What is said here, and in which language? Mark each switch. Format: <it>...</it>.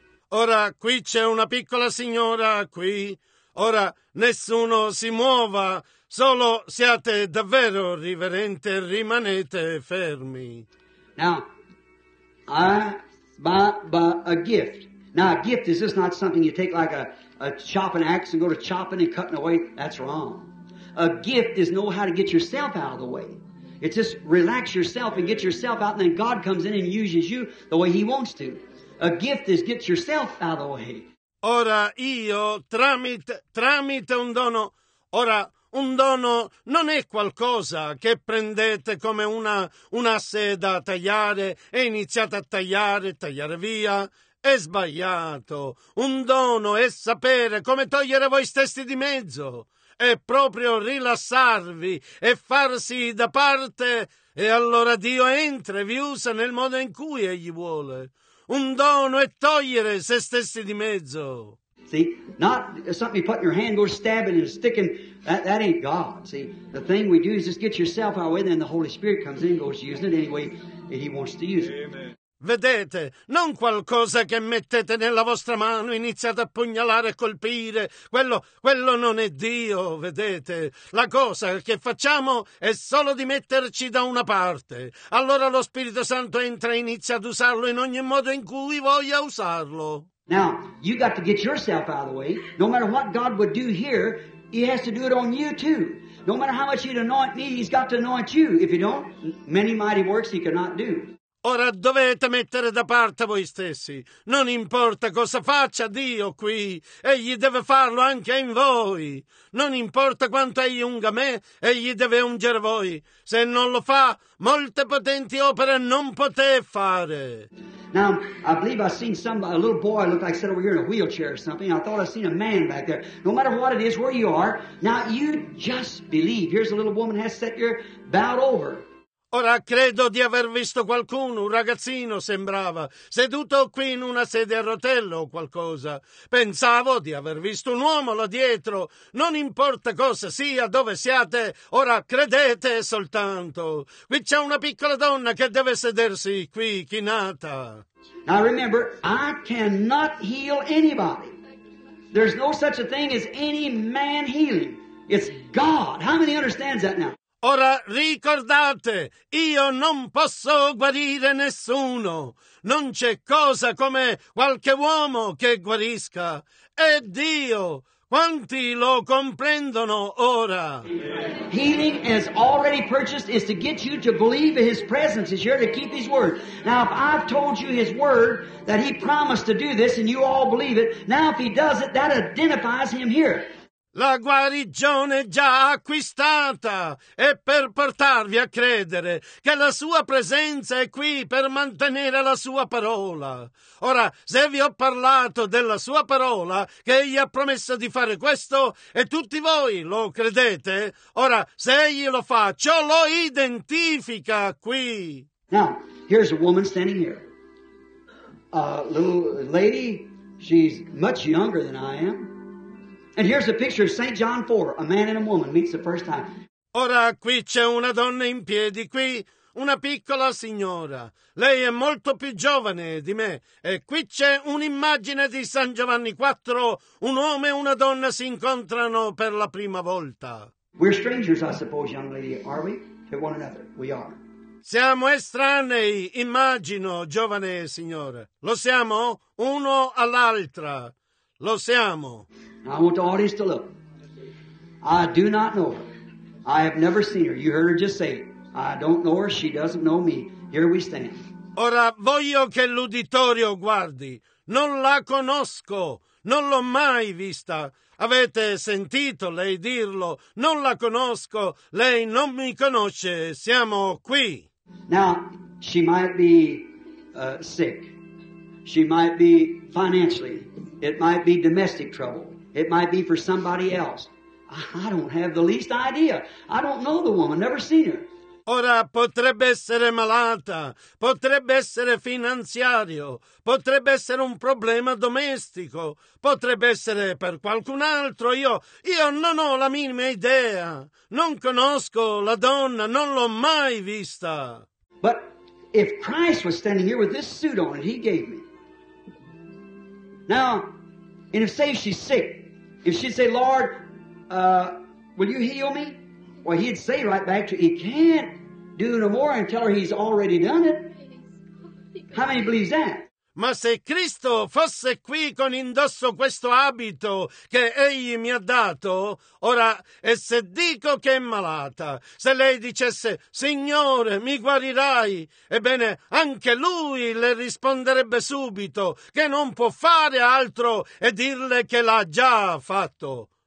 <it>Ora qui c'è una piccola signora qui. Ora nessuno si muova, solo siate davvero riverente e rimanete fermi.</it> <en>Now, a gift. Now, a gift is just not something you take like a chopping axe and go to chopping and cutting away. That's wrong. A gift is know how to get yourself out of the way. It's just relax yourself and get yourself out, and then God comes in and uses you the way He wants to. A gift is get yourself out of the way.</en> <it>Ora io, tramite un dono, ora un dono non è qualcosa che prendete come una seda a tagliare e iniziate a tagliare via. È sbagliato. Un dono è sapere come togliere voi stessi di mezzo. È proprio rilassarvi e farsi da parte e allora Dio entra e vi usa nel modo in cui Egli vuole. Un dono è togliere se stessi di mezzo.</it> <en>See, not something you put in your hand, go stabbing and sticking. That ain't God. See, the thing we do is just get yourself out of the way, then the Holy Spirit comes in and goes using it any way He wants to use it. Amen.</en> <it>Vedete, non qualcosa che mettete nella vostra mano, iniziate a pugnalare e colpire. Quello non è Dio, vedete. La cosa che facciamo è solo di metterci da una parte. Allora lo Spirito Santo entra e inizia ad usarlo in ogni modo in cui voglia usarlo.</it> <en>Now, you got to get yourself out of the way. No matter what God would do here, He has to do it on you too. No matter how much He'd anoint me, He's got to anoint you. If you don't, many mighty works He cannot do.</en> <it>Ora dovete mettere da parte voi stessi. Non importa cosa faccia Dio qui, Egli deve farlo anche in voi. Non importa quanto Egli unga me, Egli deve ungere voi. Se non lo fa, molte potenti opere non poté fare.</it> <en>Now, I believe I've seen a little boy look like sit over here in a wheelchair or something. I thought I'd seen a man back there. No matter what it is, where you are, now you just believe. Here's a little woman has sat here bowed over.</en> <it>Ora credo di aver visto qualcuno, un ragazzino sembrava, seduto qui in una sedia a rotelle o qualcosa. Pensavo di aver visto un uomo là dietro. Non importa cosa sia, dove siate, ora credete soltanto. Qui c'è una piccola donna che deve sedersi qui, chinata.</it> <en>Now remember, I cannot heal anybody. There's no such a thing as any man healing. It's God. How many understands that now?</en> <it>Ora ricordate, io non posso guarire nessuno. Non c'è cosa come qualche uomo che guarisca. È Dio. Quanti lo comprendono ora?</it> <en>Healing is already purchased, is to get you to believe in His presence, is here to keep His word. Now, if I've told you His word, that He promised to do this, and you all believe it, now if He does it, that identifies Him here.</en> <it>La guarigione è già acquistata, è per portarvi a credere che la sua presenza è qui per mantenere la sua parola. Ora, se vi ho parlato della sua parola, che egli ha promesso di fare questo, e tutti voi lo credete, ora, se egli lo fa, ciò lo identifica qui.</it> <en>Now, here's a woman standing here. A little lady, she's much younger than I am. And here's a picture of St. John 4, a man and a woman meets the first time.</en> <it>Ora qui c'è una donna in piedi qui, una piccola signora. Lei è molto più giovane di me. E qui c'è un'immagine di San Giovanni 4, un uomo e una donna si incontrano per la prima volta.</it> <en>We're strangers, I suppose, young lady, are we? To one another, we are.</en> <it>Siamo estranei, immagino, giovane signora. Lo siamo uno all'altra. Lo siamo.</it> <en>I want the audience to look. I do not know her. I have never seen her. You heard her just say it. I don't know her. She doesn't know me. Here we stand.</en> <it>Ora voglio che l'uditorio guardi. Non la conosco. Non l'ho mai vista. Avete sentito lei dirlo? Non la conosco. Lei non mi conosce. Siamo qui.</it> <en>Now, she might be sick. She might be financially. It might be domestic trouble. It might be for somebody else. I don't have the least idea. I don't know the woman. Never seen her.</en> <it>Ora potrebbe essere malata. Potrebbe essere finanziario. Potrebbe essere un problema domestico. Potrebbe essere per qualcun altro. Io non ho la minima idea. Non conosco la donna. Non l'ho mai vista.</it> <en>But if Christ was standing here with this suit on, He gave me. Now, and if say she's sick, if she'd say, Lord, will you heal me? Well, He'd say right back to her, He can't do no more and tell her He's already done it. How many believes that?</en> <it>Ma se Cristo fosse qui con indosso questo abito che Egli mi ha dato, ora, e se dico che è malata, se lei dicesse, Signore, mi guarirai, ebbene, anche lui le risponderebbe subito che non può fare altro e dirle che l'ha già fatto.</it>